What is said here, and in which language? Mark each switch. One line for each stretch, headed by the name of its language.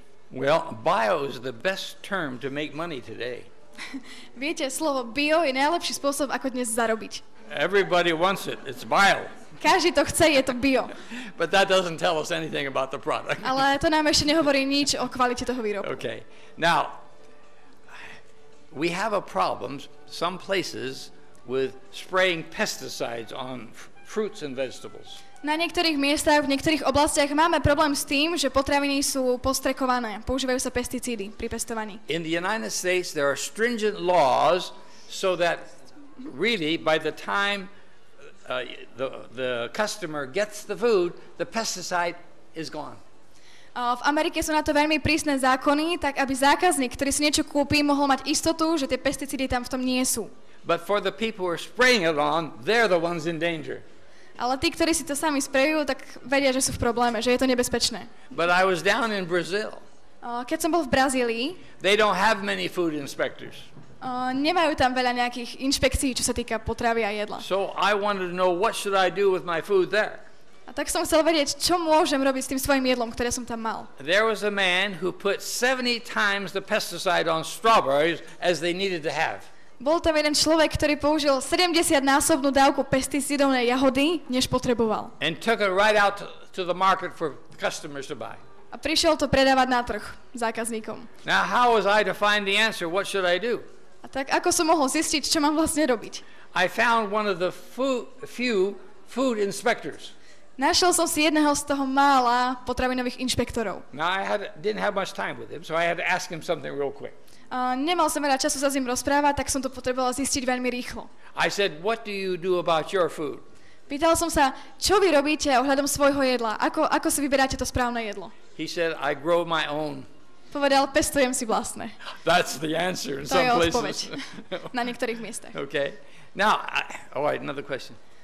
English: Well, bio is the best term to make money today.
Slovak: Viete, slovo bio je najlepší spôsob, ako dnes zarobiť.
English: Everybody wants it. It's bio.
Slovak: Každý to chce, je to bio.
English: But that doesn't tell us anything about the product.
Slovak: Ale to nám ešte nehovorí nič o kvalite toho výrobku.
English: Okay. Now, we have a problem some places with spraying pesticides on fruits and vegetables.
Slovak: Na niektorých miestach, v niektorých oblastiach máme problém s tým, že potraviny sú postrekované, používajú sa pesticídy pri pestovaní.
English: In the United States there are stringent laws so that really by the time the customer gets the food, the pesticide is gone.
Slovak: V Amerike sú na to veľmi prísne zákony, tak aby zákazník, ktorý si niečo kúpi, mohol mať istotu, že tie pesticídy tam v tom nie sú.
English: But for the people who are spraying it on, they're the ones in danger.
Slovak: Ale tí, ktorí si to sami sprejujú, tak vedia, že sú v probléme, že je to nebezpečné.
English: But I was down in Brazil.
Slovak: Keď som bol v Brazílii.
English: They don't have many food inspectors.
Slovak: Nemajú tam veľa nejakých inšpekcií, čo sa týka potravy a jedla.
English: So I wanted to know what should I do with my food there.
Slovak: A tak som chcel vedieť, čo môžem robiť s tým svojim jedlom, ktoré som tam mal.
English: There was a man who put 70 times the pesticide on strawberries as they needed to have.
Slovak: Bol tam jeden človek, ktorý použil 70-násobnú dávku pesticídov na jahody, než potreboval.
English: And took it right out to the market for customers to buy.
Slovak: A prišiel to predávať na trh zákazníkom.
English: Now how was I to find the answer? What should I do?
Slovak: A tak ako som mohol zistiť, čo mám vlastne robiť?
English: I found one of the few food inspectors.
Slovak: Našiel som si jedného z toho mála potravinových inšpektorov.
English: Now I didn't have much time with him, so I had to ask him something real quick.
Slovak: Nemal som veľa času sa s ním rozprávať, tak som to potrebovala zistiť veľmi rýchlo.
English: I said, what do you do about your food?
Slovak: Pýtal som sa, čo vy robíte ohľadom svojho jedla? Ako si vyberáte to správne jedlo?
English: He said, I grow my own.
Slovak: Povedal, pestujem si vlastné.
English: That's the answer in to some
Slovak: je odpoveď
English: places.
Slovak: Na niektorých miestach.
English: Okay. Now, all right, another question.